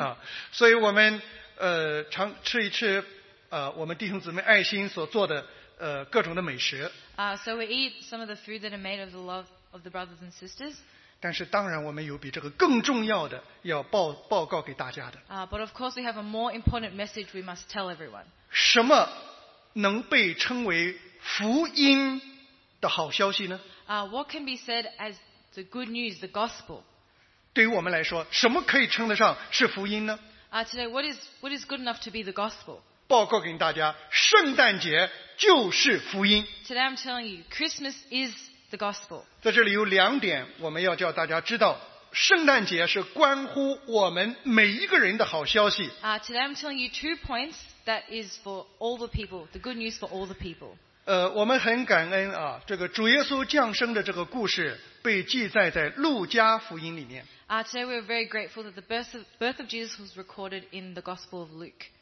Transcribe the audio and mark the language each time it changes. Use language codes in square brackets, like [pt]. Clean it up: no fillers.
[zh] 啊，所以我们常吃一吃我们弟兄姊妹爱心所做的各种的美食。 [en] So we eat some of the food that are made of the love of the brothers and sisters. [zh] 但是当然我们有比这个更重要的要报告给大家的。 [en] But of course we have a more important message we must tell everyone. [zh] 什么能被称为福音的好消息呢？ [en] What can be said as the good news, the gospel? [zh] 对于我们来说，什么可以称得上是福音呢？ [en] Today, what is good enough to be the gospel? [zh] 报告给大家，圣诞节就是福音。 [en] Today I'm telling you, Christmas is the gospel. [zh] 在这里有两点我们要叫大家知道，圣诞节是关乎我们每一个人的好消息。 [en] Today I'm telling you two points that is for all the people, the good news for all the people. [zh] 我们很感恩啊，这个主耶稣降生的这个故事被记载在路加福音里面。 [en] Today we are very grateful that the birth of Jesus was recorded in the Gospel of Luke.